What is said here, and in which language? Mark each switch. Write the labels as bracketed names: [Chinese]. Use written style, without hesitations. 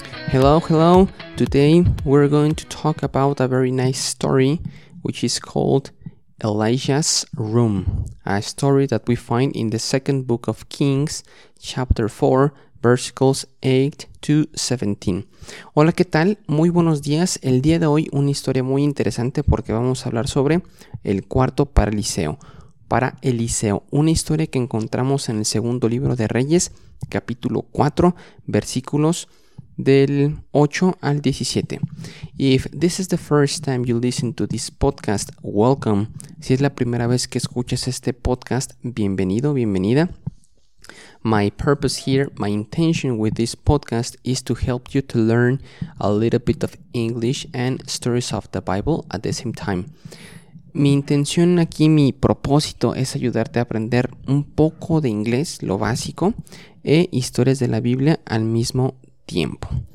[English] Hello, today we're going to talk about a very nice story which is called Elijah's Room, a story that we find in the second book of Kings, chapter 4, versículos 8 to 17. [Spanish] Hola, ¿qué tal? Muy buenos días. El día de hoy una historia muy interesante porque vamos a hablar sobre el cuarto para Eliseo, una historia que encontramos en el segundo libro de Reyes, capítulo 4, versículos del 8 al 17. [English] If this is the first time you listen to this podcast, welcome. [Spanish] Si es la primera vez que escuchas este podcast, bienvenido, bienvenida. [English] My purpose here, my intention with this podcast is to help you to learn a little bit of English and stories of the Bible at the same time. [Spanish] Mi intención aquí, mi propósito es ayudarte a aprender un poco de inglés, lo básico, e historias de la Biblia al mismo tiempo.